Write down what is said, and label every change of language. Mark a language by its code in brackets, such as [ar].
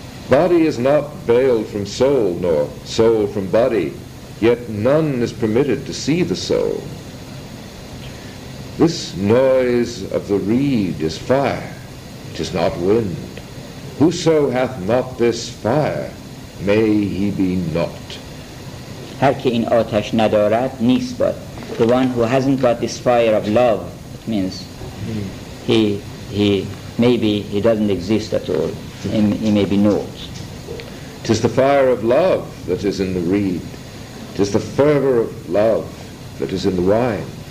[en] Body is not veiled from soul, nor soul from body, yet none is permitted to see the soul. This noise of the reed is fire, it is not wind. Whoso hath not this fire, may he be not. [fa] هر که این آتش ندارد نیست باد. [en] The one who hasn't got this fire of love, it means he doesn't exist at all. He may be not. 'Tis the fire of love that is in the reed. 'Tis the fervor of love that is in the wine.